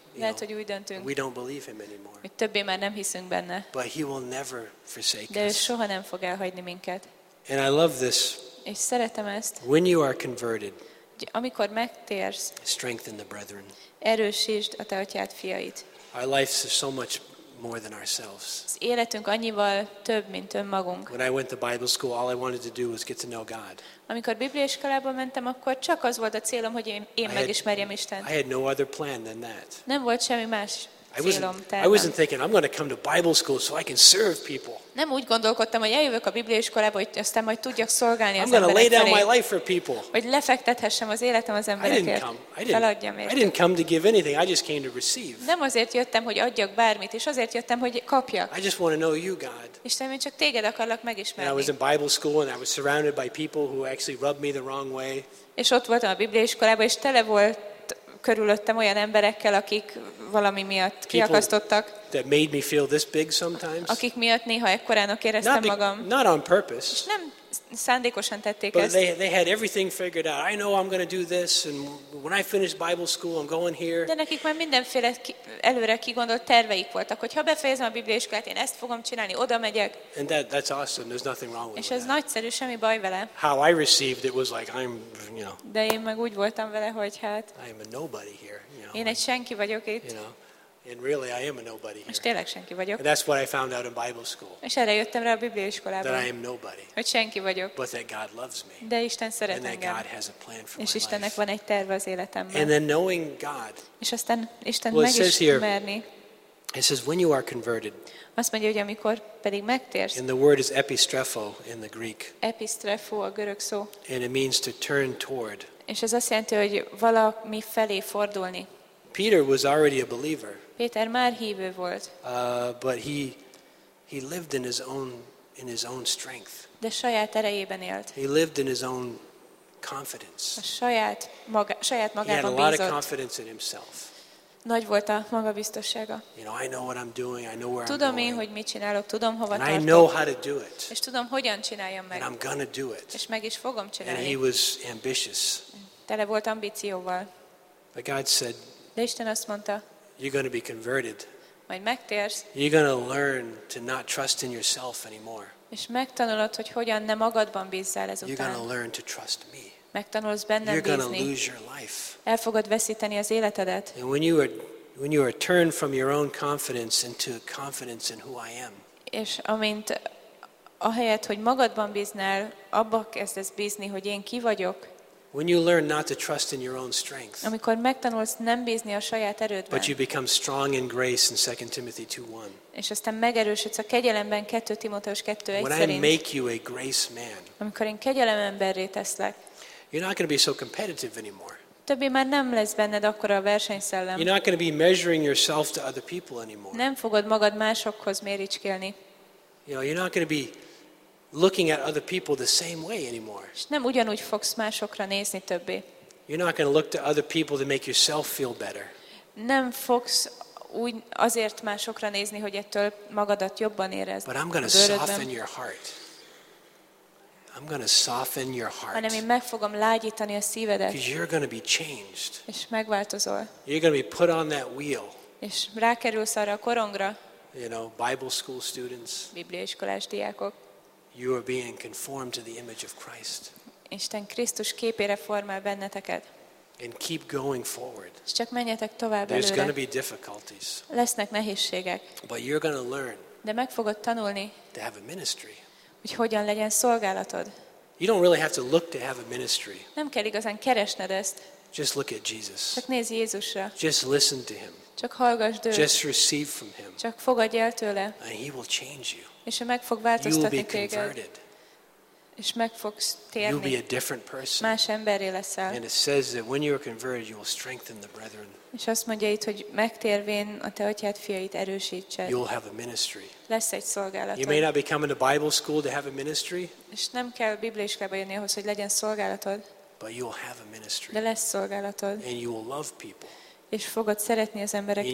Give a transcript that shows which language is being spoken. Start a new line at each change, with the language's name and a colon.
Hungarian: lehet, hogy úgy döntünk.
English: We don't believe him anymore.
Hungarian: Mi többé már nem hiszünk benne.
English: But he will never forsake us.
Hungarian: De ő soha nem fog elhagyni minket.
English: And I love this.
Hungarian: És szeretem ezt.
English: When you are converted.
Hungarian: Amikor megtérsz.
English: Strengthen the brethren.
Hungarian: Erősítsd a te atyád fiait.
English: Our lives are so much more than ourselves.
Hungarian: Az életünk annyival több, mint önmagunk.
English: When I went to Bible school, all I wanted to do was get to know God.
Hungarian: Amikor bibliaiskolába mentem, akkor csak az volt a célom, hogy én megismerjem Istent.
English: I had no other plan than that.
Hungarian: Nem volt semmi más célom.
English: I wasn't thinking I'm going to come to Bible school so I can serve people.
Hungarian: Nem úgy gondolkodtam, hogy eljövök a bibliaiskolába, hogy aztán majd tudjak szolgálni az embereknek.
English: I'm going to lay down my life for people.
Hungarian: Hogy lefektethessem az életem az emberekért.
English: I didn't come to give anything. I just came to receive.
Hungarian: Nem azért jöttem, hogy adjak bármit, és azért jöttem, hogy kapjak.
English: I just want to know you, God.
Hungarian: Isten, én csak téged akarlak megismerni.
English: And I was in Bible school and I was surrounded by people who actually rubbed me the wrong way.
Hungarian: És ott voltam a bibliaiskolába, és tele volt körülöttem olyan emberekkel, akik valami miatt kiakasztottak.
English: That made me feel this big sometimes.
Hungarian: Akik miatt néha ekkorának éreztem magam.
English: Not on purpose.
Hungarian: És nem szándékosan tették ezt.
English: They had everything figured out. I know I'm going to do this and when I finish Bible school I'm going here.
Hungarian: De nekik már mindenféle előre kigondolt terveik voltak, hogy ha befejezem a bibliaiskolát, én ezt fogom csinálni, oda megyek.
English: And that's awesome. There's nothing wrong with it.
Hungarian: És ez nagyszerű, semmi baj vele.
English: How I received it was like I'm, you know.
Hungarian: De én meg úgy voltam vele, hogy hát.
English: I'm a nobody here, you know.
Hungarian: Én egy senki vagyok itt.
English: You know. And really I am a nobody here.
Hungarian: És tényleg senki vagyok.
English: And that's what I found out in Bible school.
Hungarian: És erre jöttem rá a Biblia iskolában.
English: That I am nobody.
Hungarian: Hogy senki vagyok.
English: But that God loves me.
Hungarian: De Isten szeret engem.
English: And that God has a plan for my life.
Hungarian: És Istennek van egy terve az életemben.
English: And then knowing God.
Hungarian: És aztán Isten megismerni.
English: It says when you are converted.
Hungarian: Azt mondja, hogy amikor pedig megtérsz.
English: And the word is epistrepho in the Greek.
Hungarian: Epistrepho a görög szó.
English: And it means to turn toward.
Hungarian: És ez azt jelenti, hogy valami felé fordulni.
English: Peter was already a believer.
Hungarian: Péter már hívő volt.
English: But he lived in his own strength.
Hungarian: De saját erejében élt.
English: He lived in his own confidence.
Hungarian: A saját magában bízott.
English: He had a lot of confidence in himself.
Hungarian: Nagy volt a magabiztossága.
English: You know, I know what I'm doing. I know where I'm going.
Hungarian: Tudom én, hogy mit csinálok, tudom hova
English: and
Hungarian: tartok.
English: I know how to do it.
Hungarian: És tudom, hogyan csináljam meg.
English: And I'm gonna do it.
Hungarian: És meg is fogom csinálni.
English: And he was ambitious.
Hungarian: Tele volt ambícióval.
English: But God said,
Hungarian: de Isten azt mondta,
English: you're gonna be converted.
Hungarian: Majd megtérsz.
English: You're gonna learn to not trust in yourself anymore.
Hungarian: És megtanulod, hogy hogyan ne magadban bízzál ezután.
English: You're gonna learn to trust me.
Hungarian: Megtanulsz bennem bízni. El fogod veszíteni az életedet.
English: And when you are turned from your own confidence into confidence in who I am.
Hungarian: És amint ahelyett, hogy magadban bíznál, abba kezdesz bízni, hogy én ki vagyok.
English: When you learn not to trust in your own strength.
Hungarian: Amikor megtanulsz nem bízni a saját erődben.
English: But you become strong in grace in 2 Timothy 2:1.
Hungarian: És aztán megerősödsz a kegyelemben 2 Timóteus 2:1 szerint.
English: When I make you a grace man.
Hungarian: Amikor én kegyelememberré teszlek.
English: You're not going to be so competitive anymore.
Hungarian: Többé már nem lesz benned akkora a versenyszellem.
English: You're not going to be measuring yourself to other people anymore.
Hungarian: Nem fogod magad másokhoz méricskélni.
English: You know, you're not going to be looking at other people the same way anymore.
Hungarian: És nem ugyanúgy fogsz másokra nézni többé.
English: You're not going to look to other people to make yourself feel better.
Hungarian: Nem fogsz úgy azért másokra nézni, hogy ettől magadat jobban érezd.
English: But I'm going to soften your heart. I'm going to soften your heart.
Hungarian: Hanem én meg fogom lágyítani a szívedet.
English: Because you're going to be changed.
Hungarian: És megváltozol.
English: You're going to be put on that wheel.
Hungarian: És rákerülsz arra a korongra.
English: You know, Bible school students.
Hungarian: Bibliaiskolás diákok.
English: You are being conformed to the image of Christ.
Hungarian: Isten Krisztus képére formál benneteket.
English: And keep going forward.
Hungarian: És csak menjetek tovább előre.
English: There's going to be difficulties.
Hungarian: Lesznek nehézségek.
English: But you're going to learn.
Hungarian: De meg fogod tanulni.
English: To have a ministry.
Hungarian: Hogy hogyan legyen szolgálatod.
English: You don't really have to look to have a ministry.
Hungarian: Nem kell igazán keresned ezt.
English: Just look at Jesus.
Hungarian: Csak nézz Jézusra.
English: Just listen to him.
Hungarian: Csak hallgasd őt.
English: Just receive from him.
Hungarian: Csak fogadj el tőle.
English: And he will change you.
Hungarian: És meg fog változtatni téged.
English: You will be converted.
Hungarian: És meg fogsz térni.
English: You'll be a different person.
Hungarian: Más emberré leszel.
English: And it says that when you are converted, you will strengthen the brethren.
Hungarian: És azt mondja itt, hogy megtérvén a te atyád fiait erősítsed.
English: You'll have a ministry.
Hungarian: Lesz egy szolgálatod.
English: You may not be coming to Bible school to have a ministry.
Hungarian: És nem kell bibliaiskolába jönni ahhoz, hogy legyen szolgálatod.
English: But you'll have a ministry.
Hungarian: De lesz szolgálatod.
English: And you will love people.
Hungarian: És fogod szeretni az embereket.